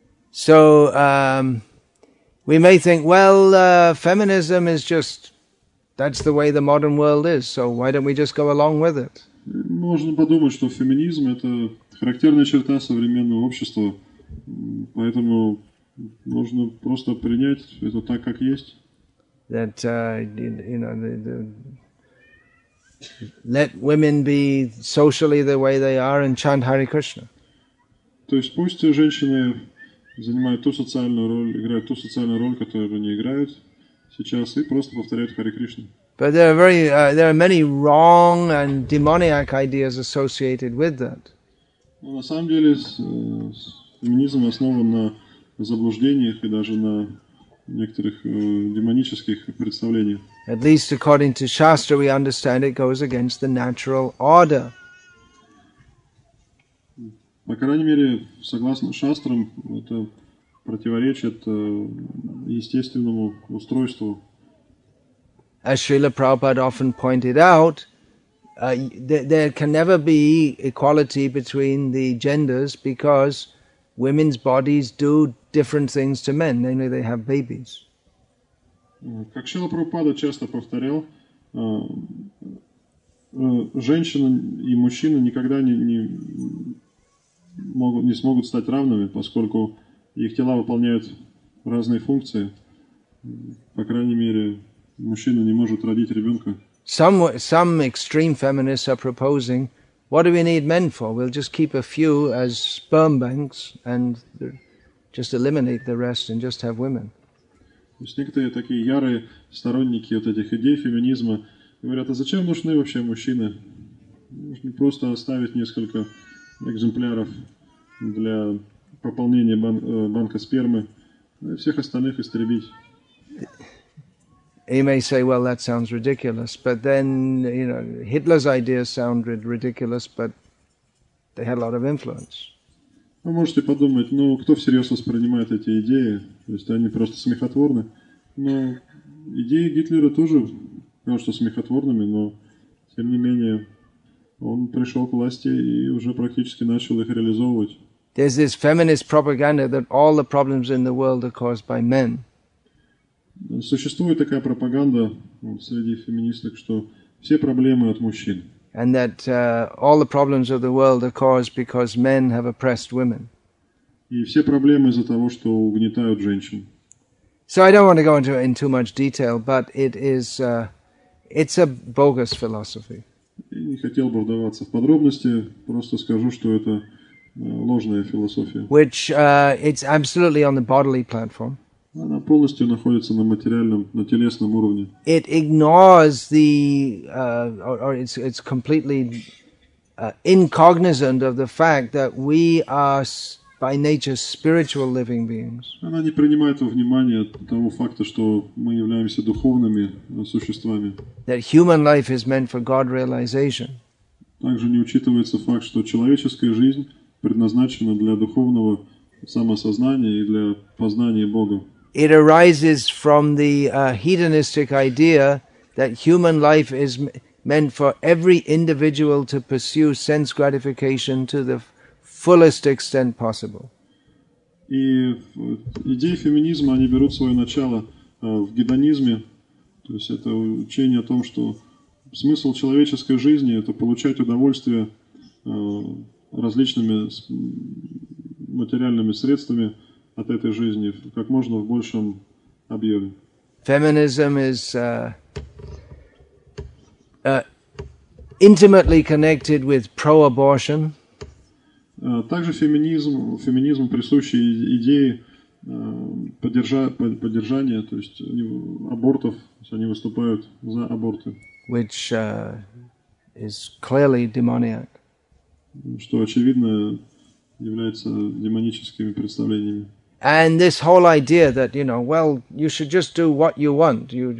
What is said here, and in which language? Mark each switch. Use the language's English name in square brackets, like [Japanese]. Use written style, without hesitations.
[English] So we may think, feminism is just, that's the way the modern world is, so why don't we just go along with it? [Russian] Можно подумать, что феминизм — это характерная черта современного общества, поэтому нужно просто принять это так, как есть. [English] That, you know, the let women be socially the way they are and chant Hare Krishna. [Russian] То есть пусть женщины занимают ту социальную роль, играют ту социальную роль, которую они играют сейчас, и просто повторяют Хари Кришну. [English] But there are many wrong and demoniac ideas associated with that. [Russian] Но на самом деле феминизм основан на заблуждениях и даже на некоторых демонических представлениях. [English] At least according to Shastra, we understand it goes against the natural order. [Russian] По крайней мере, согласно шастрам, это противоречит естественному устройству. [English] As Srila Prabhupada often pointed out, there can never be equality between the genders because women's bodies do different things to men, namely they have babies. [Russian] Как Шрила Прабхупада часто повторял, женщина и мужчина никогда не смогут стать равными, поскольку их тела выполняют разные функции. По крайней мере, мужчина не может родить ребенка. [English] Some extreme feminists are proposing, what do we need men for? We'll just keep a few as sperm banks and just eliminate the rest and just have women. [Russian] То есть некоторые такие ярые сторонники вот этих идей феминизма говорят, а зачем нужны вообще мужчины? Нужно просто оставить несколько экземпляров для пополнения банка спермы, ну и всех остальных истребить. [English] You may say, well, that sounds ridiculous, but then, you know, Hitler's ideas sounded ridiculous, but they had a lot of influence. [Russian] Вы можете подумать, ну, кто всерьез воспринимает эти идеи? То есть они просто смехотворны. Но идеи Гитлера тоже, потому что смехотворными, но, тем не менее, он пришел к власти и уже практически начал их реализовывать. [English] There's this feminist propaganda that all the problems in the world are caused by men. [Russian] Существует такая пропаганда среди феминисток, что все проблемы от мужчин. [English] And that all the problems of the world are caused because men have oppressed women. [Russian] И все проблемы из-за того, что угнетают женщин. [English] So I don't want to go into it in too much detail, but it is it's a bogus philosophy. [Russian] Я не хотел бы вдаваться в подробности, просто скажу, что это ложная философия. [English] Which it's absolutely on the bodily platform. [Russian] Она полностью находится на материальном, на телесном уровне. [English] It ignores the, or it's completely incognizant of the fact that we are by nature spiritual living beings. [Russian] Она не принимает во внимание того факта, что мы являемся духовными существами. [English] That human life is meant for God realization. [Russian] Также не учитывается факт, что человеческая жизнь предназначена для духовного самосознания и для познания Бога. [English] It arises from the hedonistic idea that human life is meant for every individual to pursue sense gratification to the fullest extent possible. [Russian] И идеи феминизма, они берут свое начало в гедонизме, то есть это учение о том, что смысл человеческой жизни – это получать удовольствие различными материальными средствами от этой жизни как можно в большем объеме. [English] Feminism is intimately connected with pro-abortion. [Russian] Также феминизм присущи идеи поддержания, то есть абортов, они выступают за аборты. [English] Which is clearly demoniac. [Russian] Что очевидно является демоническими представлениями. [English] And this whole idea that, you know, well, you should just do what you want.